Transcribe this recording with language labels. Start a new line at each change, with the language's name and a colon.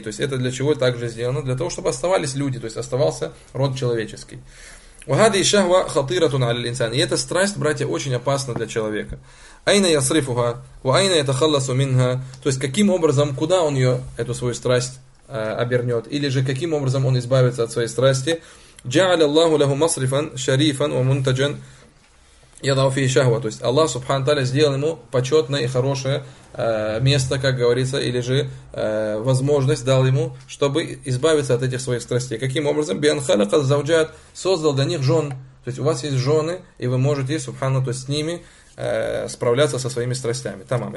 Russian: То есть это для чего также сделано? Для того, чтобы оставались люди, то есть оставался род человеческий.
Arabic: Ухади и шахва хатиратуна али инсани.
Russian: И эта страсть, братья, очень опасна для человека.
Arabic: Айна ясрифуха, ва айна ятахалласу минха.
Russian: То есть каким образом, куда он ее, эту свою страсть, обернет, или же каким образом он избавится от своей страсти.
Arabic: جعل الله له مصرفا شريفا ومنتجا يضع فيه شهوة.
Russian: То есть Аллах Субхану Тааля сделал ему почетное и хорошее место, как говорится, или же возможность дал ему, чтобы избавиться от этих своих страстей. Каким образом?
Arabic: بأن خلق الزوجات,
Russian: создал для них жен. То есть у вас есть жены, и вы можете, субханна, то есть с ними справляться со своими страстями. Тамам.